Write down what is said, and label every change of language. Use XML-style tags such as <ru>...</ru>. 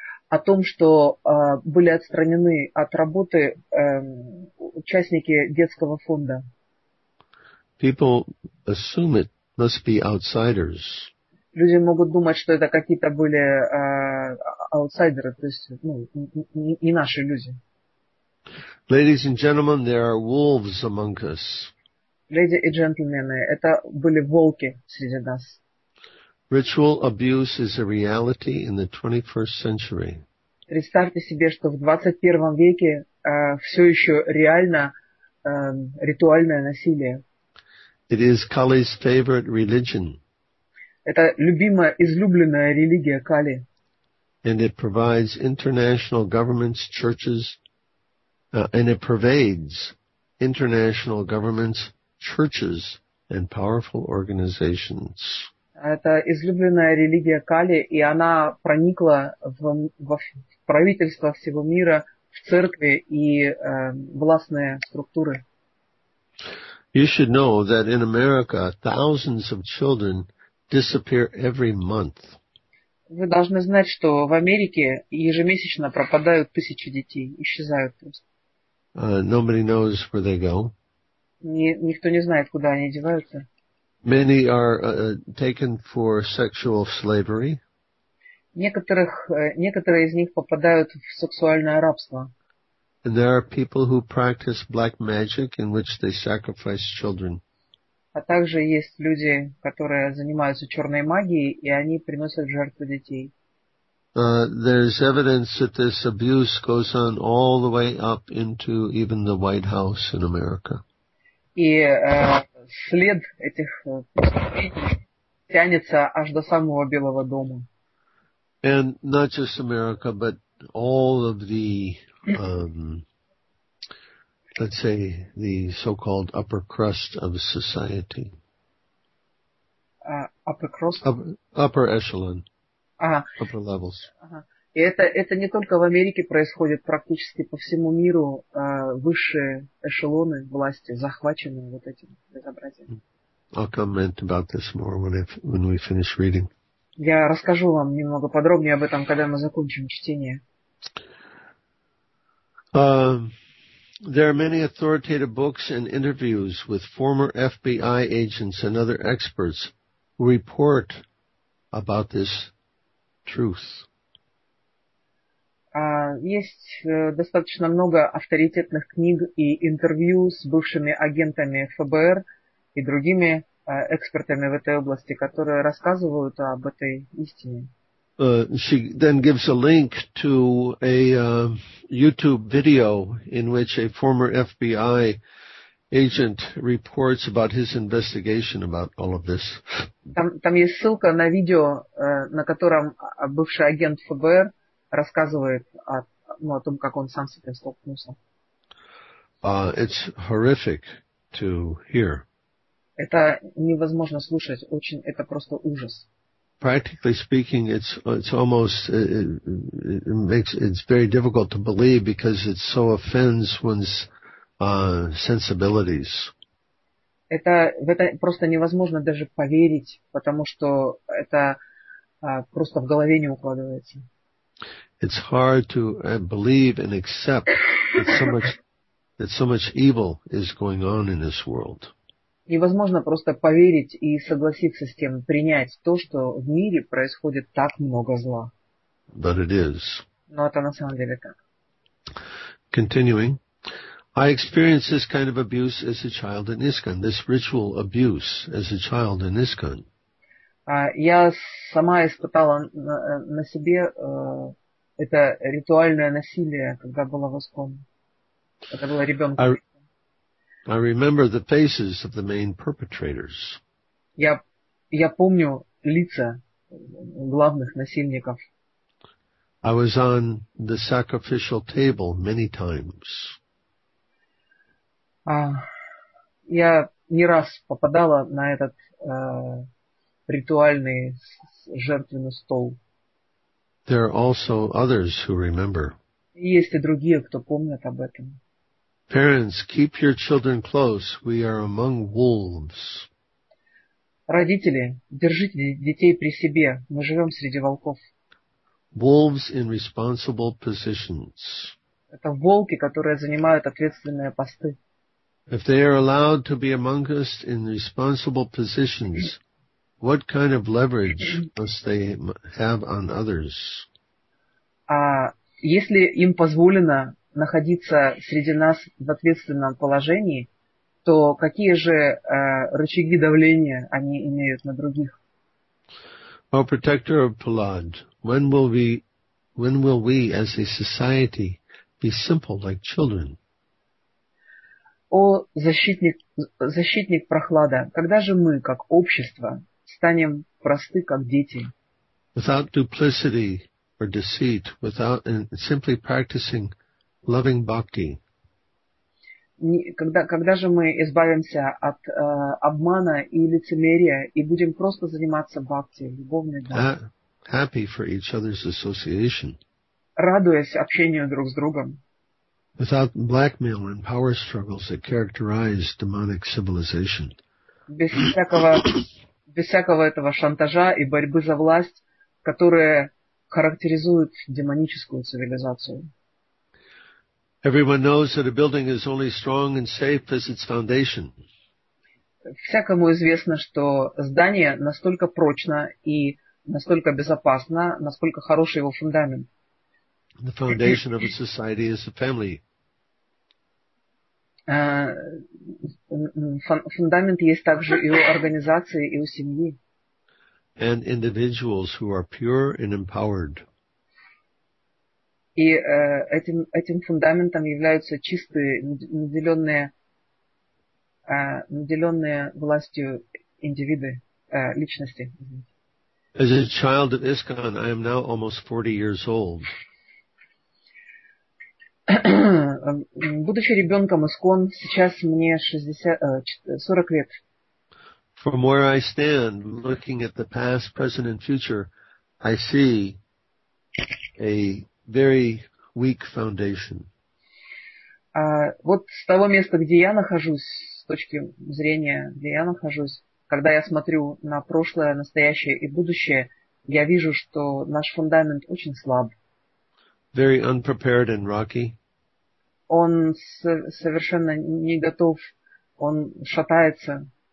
<ru>о том, что были отстранены от работы участники детского фонда.</ru> <en>People assume it must be outsiders.</en> <ru>Люди могут думать, что это какие-то были аутсайдеры, то есть ну, не наши люди.</ru> <en>Ladies and gentlemen, there are wolves among us.</en> <ru>Леди и джентльмены, это были волки среди нас.</ru> <en>Ritual abuse is a reality in the 21st century.</en> <ru>Представьте себе, что в 21 веке все еще реально ритуальное насилие.</ru> <en>It is Kali's favorite religion.</en> <ru>Это любимая, излюбленная религия Кали.</ru> <en>And it provides international governments, churches, and it pervades international governments, churches, and powerful organizations.</en> <ru>Это излюбленная религия Кали, и она проникла в правительство всего мира, в церкви и властные структуры.</ru> <en>You should know that in America thousands of children disappear every month.</en> <ru>Вы должны знать, что в Америке ежемесячно пропадают тысячи детей, исчезают.</ru> <en>Nobody knows where they go.</en> <ru>Никто не знает, куда они деваются.</ru> <en>Many are taken for sexual slavery.</en> <ru>Некоторые из них попадают в сексуальное рабство.</ru> <en>And there are people who practice black magic in which they sacrifice children.</en> <ru>А также есть люди, которые занимаются черной магией, и они приносят жертву детей.</ru> <en>There's evidence that this abuse goes on all the way up into even the White House in America.</en> <ru>И след этих преступлений тянется аж до самого Белого дома.</ru> <en>And not just America, but all of the, let's say, the so-called upper crust of society. Upper crust? Upper echelon.</en> <ru>Ага.</ru> <en>Upper levels.</en> <ru>Ага. И это не только в Америке происходит, практически по всему миру высшие эшелоны власти захвачены вот этим безобразием.</ru> <en>I'll comment about this more when we finish reading.</en> <ru>Я расскажу вам немного подробнее об этом, когда мы закончим чтение.</ru> <en>There are many authoritative books and interviews with former FBI agents and other experts who report about this truth.</en> <ru>Есть достаточно много авторитетных книг и интервью с бывшими агентами ФБР и другими экспертами в этой области, которые рассказывают об этой истине.</ru> <en>She then gives a link to a YouTube video in which a former FBI agent reports about his investigation about all of this.</en> <ru>Там есть ссылка на видео, на котором бывший агент ФБР рассказывает о том, как он сам с этим столкнулся.</ru> <en>It's horrific to hear.</en> <ru>Это невозможно слушать. Очень, это просто ужас.</ru> <en>Practically speaking, it's almost it's very difficult to believe because it so offends one's sensibilities.</en> <ru>Это просто невозможно даже поверить, потому что это просто в голове не укладывается.</ru> <en>It's hard to believe and accept that so much evil is going on in this world.</en> <ru>Невозможно просто поверить и согласиться с тем, принять то, что в мире происходит так много зла.</ru> <en>But it is.</en> <ru>Но это на самом деле так.</ru> <en>Continuing. I experienced this kind of abuse as a child in ISKCON. This ritual abuse as a child in ISKCON.</en> <ru>Я сама испытала на себе это ритуальное насилие, когда была в ISKCON. Когда была ребенком.</ru> <en>I remember the faces of the main perpetrators.</en> <ru>Я помню лица главных насильников.</ru> <en>I was on the sacrificial table many times.</en> <ru>Я не раз попадала на этот ритуальный жертвенный стол.</ru> <en>There are also others who remember.</en> <ru>Есть и другие, кто помнят об этом.</ru> <en>Parents, keep your children close. We are among wolves.</en> <ru>Родители, держите детей при себе. Мы живем среди волков.</ru> <en>Wolves in responsible positions.</en> <ru>Это волки, которые занимают ответственные посты.</ru> <en>If they are allowed to be among us in responsible positions, what kind of leverage must they have on others?</en> <ru>А если им позволено находиться среди нас в ответственном положении, то какие же рычаги давления они имеют на других?</ru> <en>O protector of Palad, when will we as a society be simple like children?</en> <ru>О, защитник Прохлада, когда же мы, как общество, станем просты, как дети?</ru> <en>Without duplicity or deceit, without simply practicing loving bhakti.</en> <ru>Когда же мы избавимся от обмана и лицемерия и будем просто заниматься бхакти, любовной бхакти?</ru> <en>Happy for each other's association.</en> <ru>Радуясь общению друг с другом.</ru> <en>Without blackmail and power struggles that characterize demonic civilization.</en> <ru>Без всякого этого шантажа и борьбы за власть, которые характеризуют демоническую цивилизацию.</ru> <en>Everyone knows that a building is only strong and safe as its foundation.</en> <ru>Всякому известно, что здание настолько прочно и настолько безопасно, насколько хороший его фундамент.</ru> <en>The foundation of a society is the family.</en> <ru>Фундамент есть также и у организации, и у семьи.</ru> <en>And individuals who are pure and empowered.</en> <ru>И этим фундаментом являются чистые, наделенные властью индивиды, личности.</ru> <en>As a child of ISKCON, I am now almost 40 years old.</en> <ru>Будучи ребенком ИСККОН, сейчас мне 40 лет.</ru> <en>From where I stand, looking at the past, present and future, I see a very weak foundation.</en> <ru>Вот с того места, где я нахожусь, с точки зрения, где я нахожусь, когда я смотрю на прошлое, настоящее и будущее, я вижу, что наш фундамент очень слаб.</ru> <en>Very unprepared and rocky.</en> <ru>Он совершенно не готов, он шатается.</ru>